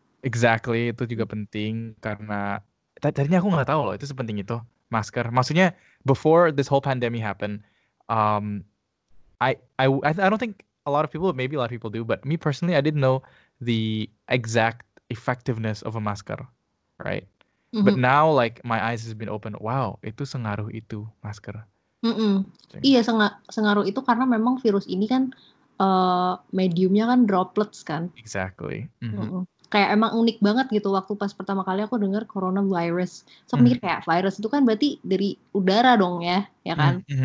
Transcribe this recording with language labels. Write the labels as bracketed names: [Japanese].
[Indonesian] Exactly, itu juga penting karena tadinya aku nggak tahu loh itu sepenting itu masker. [English] Maksudnya before this whole pandemic happened, I don't think a lot of people, maybe a lot of people do, but me personally, I didn't know the exact effectiveness of a masker, right? But now, like, my eyes has been opened. [Indonesian] Wow, itu sengaruh itu, masker. Iya, sengaruh itu karena memang virus ini kan mediumnya kan droplets, kan? [English] Exactly. [Indonesian] Kayak emang unik banget gitu waktu pas pertama kali aku dengar coronavirus. So, mikir kayak virus itu kan berarti dari udara dong ya kan?